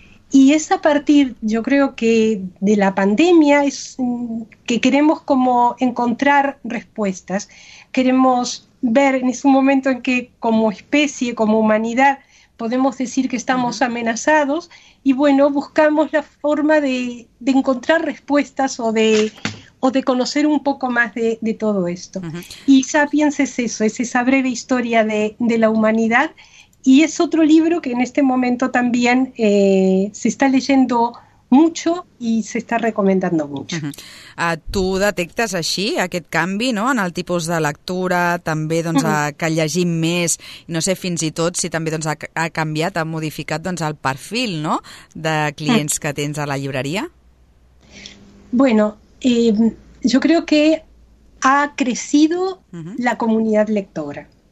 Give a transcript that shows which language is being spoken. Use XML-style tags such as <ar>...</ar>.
<es>Y es a partir, yo creo que de la pandemia, es que queremos como encontrar respuestas, queremos ver en ese momento en que como especie, como humanidad, podemos decir que estamos amenazados y bueno, buscamos la forma de encontrar respuestas o de conocer un poco más de todo esto. Y Sapiens es eso, es esa breve historia de la humanidad. Y es otro libro que en este momento también se está leyendo mucho y se está recomendando mucho.</es> <ca>Tu detectes així aquest canvi, no, en el tipus de lectura, també doncs que llegim més, no sé, fins i tot si també doncs ha canviat, ha modificat doncs el perfil, no, de clients que tens a la llibreria?</ca> <es>Bueno, yo creo que ha crecido la comunidad lectora.</es>